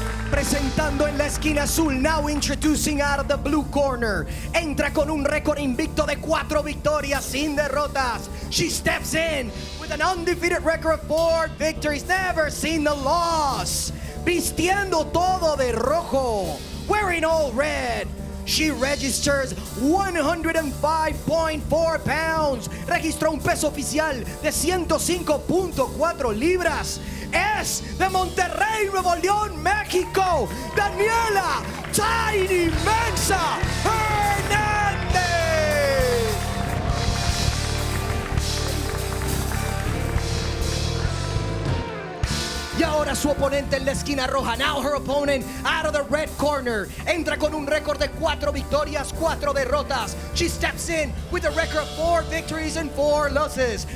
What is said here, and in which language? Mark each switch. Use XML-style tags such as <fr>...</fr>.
<es>Presentando en la esquina azul,</es> <en>now introducing out of the blue corner.</en> <es>Entra con un récord invicto de 4 victorias sin derrotas.</es> <en>She steps in with an undefeated record of 4 victories, never seen the loss.</en> <es>Vistiendo todo de rojo,</es> <en>wearing all red. She registers 105.4 pounds.</en> <es>Registró un peso oficial de 105.4 libras. Es de Monterrey, Nuevo León, México. Daniela Tiny Mensa Hernandez. Y ahora su oponente en la esquina roja.</es> <en>Now her opponent out of the red corner.</en> <es>Entra con un récord de 4 victorias, 4 derrotas.</es> <en>She steps in with a record of 4 victories and 4 losses.</en>